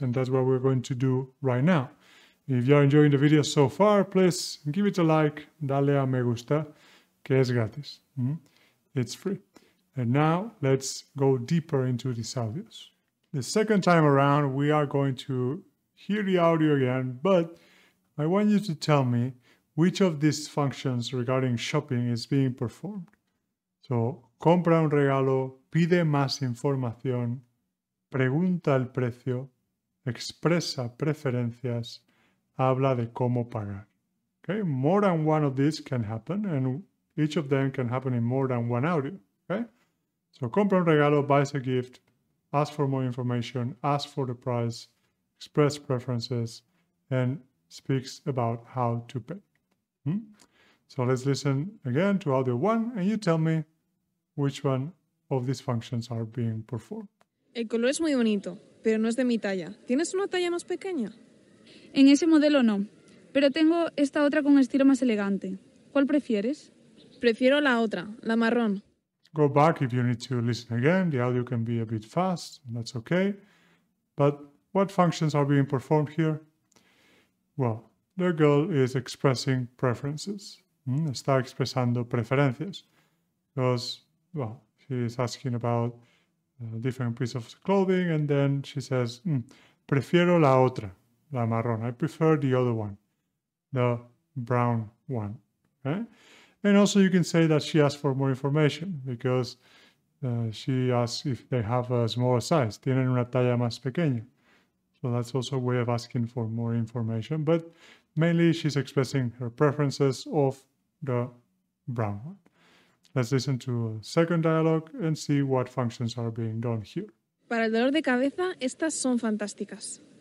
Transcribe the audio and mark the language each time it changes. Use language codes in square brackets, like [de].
[en] And that's what we're going to do right now. If you are enjoying the video so far, please give it a like, [es] dale a me gusta, que es gratis. [en] It's free. And now let's go deeper into these audios. The second time around, we are going to hear the audio again, but I want you to tell me which of these functions regarding shopping is being performed. [es] So, compra un regalo, pide más información, pregunta el precio, expresa preferencias, habla de cómo pagar. [en] Okay, more than one of these can happen, and each of them can happen in more than one audio. Okay, so [es] compra un regalo, [en] buys a gift, ask for more information, ask for the price, express preferences, and speaks about how to pay. So let's listen again to audio one, and you tell me which one of these functions are being performed. [es] El color es muy bonito, pero no es de mi talla. ¿Tienes una talla más pequeña? En ese modelo no, pero tengo esta otra con estilo más elegante. ¿Cuál prefieres? Prefiero la otra, la marrón. [en] Go back if you need to listen again. The audio can be a bit fast, and that's okay. But what functions are being performed here? Well, the girl is expressing preferences. [es] Está expresando preferencias. [en] Because, well, she is asking about a different piece of clothing, and then she says, [es] prefiero la otra, la marrón. [en] I prefer the other one, the brown one. Okay? And also you can say that she asked for more information because she asks if they have a smaller size. [es] Tienen una talla más pequeña. [en] So that's also a way of asking for more information. But mainly she's expressing her preferences of the brown one. Let's listen to a second dialogue and see what functions are being done here. [es] Para el dolor de cabeza, estas son fantásticas.